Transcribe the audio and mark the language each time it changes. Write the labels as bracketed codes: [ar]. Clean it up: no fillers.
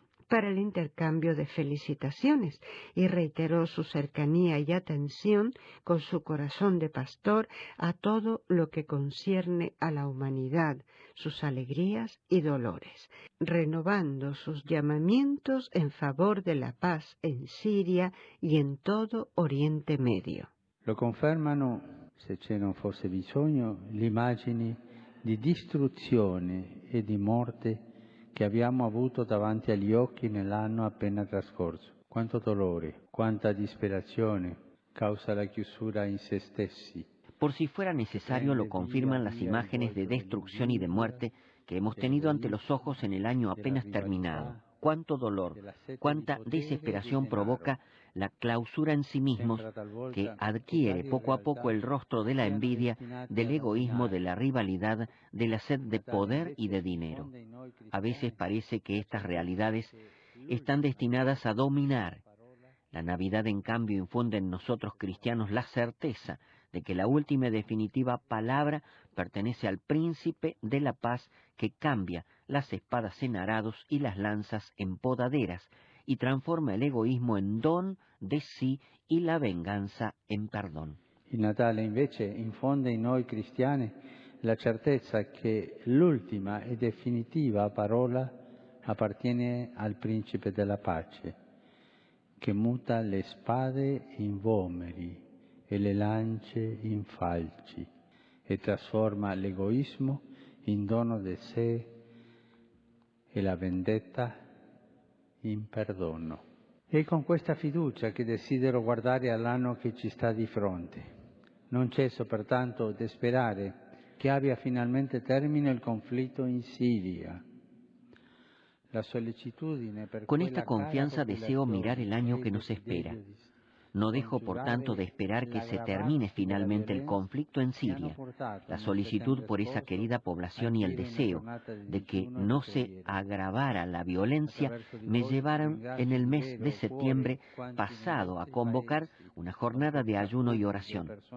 [es] para el intercambio de felicitaciones y reiteró su cercanía y atención con su corazón de pastor a todo lo que concierne a la humanidad, sus alegrías y dolores, renovando sus llamamientos en favor de la paz en Siria y en todo Oriente Medio. [it] Lo confirman, si ce non fosse bisogno, le immagini di distruzione e di morte che abbiamo avuto davanti agli occhi nell'anno appena trascorso. Quanto dolore, quanta disperazione causa la chiusura in se stessi. [es] Por si fuera necesario, lo confirman las imágenes de destrucción y de muerte que hemos tenido ante los ojos en el año apenas terminado. Cuánto dolor, cuánta desesperación provoca la clausura en sí mismos que adquiere poco a poco el rostro de la envidia, del egoísmo, de la rivalidad, de la sed de poder y de dinero. A veces parece que estas realidades están destinadas a dominar. La Navidad, en cambio, infunde en nosotros cristianos la certeza de que la última y definitiva palabra pertenece al príncipe de la paz que cambia las espadas en arados y las lanzas en podaderas y transforma el egoísmo en don de sí y la venganza en perdón. [it] Il Natale invece infonde in noi cristiani la certezza che l'ultima e definitiva parola appartiene al principe della pace che muta le spade in vomeri e le lance in falci e trasforma l'egoismo in dono de sé e la vendetta in perdono. E con questa fiducia che desidero guardare all'anno che ci sta di fronte. Non cesso pertanto di sperare che abbia finalmente termine il conflitto in Siria. La sollecitudine per con questa [es] confianza deseo mirar el año que nos espera. No dejo, por tanto, de esperar que se termine finalmente el conflicto en Siria. La solicitud por esa querida población y el deseo de que no se agravara la violencia me llevaron en el mes de septiembre pasado a convocar una jornada de ayuno y oración.